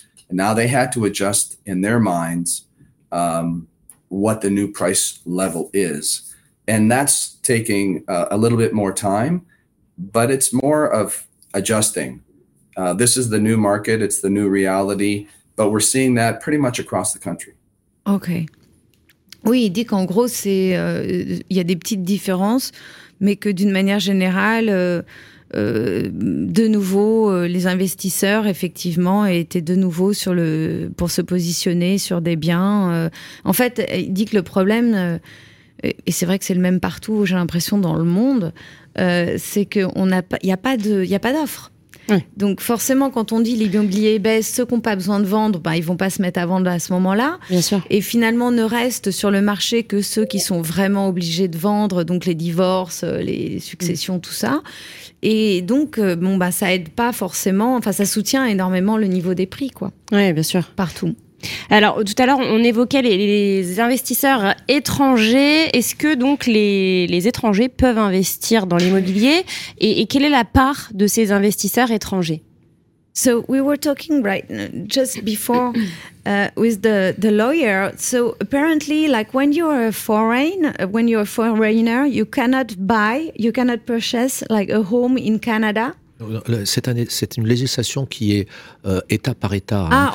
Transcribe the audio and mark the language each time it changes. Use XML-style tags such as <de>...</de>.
<en>And now they had to adjust in their minds what the new price level is. And that's taking a little bit more time. But it's more of adjusting. This is the new market. It's the new reality. But we're seeing that pretty much across the country. Okay.</en> <fr>Oui, il dit qu'en gros, c'est, y a des petites différences, mais que d'une manière générale, de nouveau, les investisseurs, effectivement, étaient de nouveau sur le, pour se positionner sur des biens. En fait, il dit que le problème, et c'est vrai que c'est le même partout, j'ai l'impression, dans le monde, c'est qu'on n'a pas, il n'y a pas d'offres. Oui. Donc forcément, quand on dit les immobiliers baissent, ceux qui n'ont pas besoin de vendre, ben, ils ne vont pas se mettre à vendre à ce moment-là. Bien sûr. Et finalement, ne restent sur le marché que ceux qui sont vraiment obligés de vendre, donc les divorces, les successions, tout ça. Et donc, bon, ben, ça aide pas forcément, enfin, ça soutient énormément le niveau des prix, quoi. Oui, bien sûr. Partout. Alors, tout à l'heure, on évoquait les investisseurs étrangers. Est-ce que donc les étrangers peuvent investir dans l'immobilier et quelle est la part de ces investisseurs étrangers?</fr> <en>So we were talking right just before with the lawyer. So apparently, like when you're a foreigner, you cannot purchase like a home in Canada.</en> <fr>C'est une législation qui est état par état.</fr>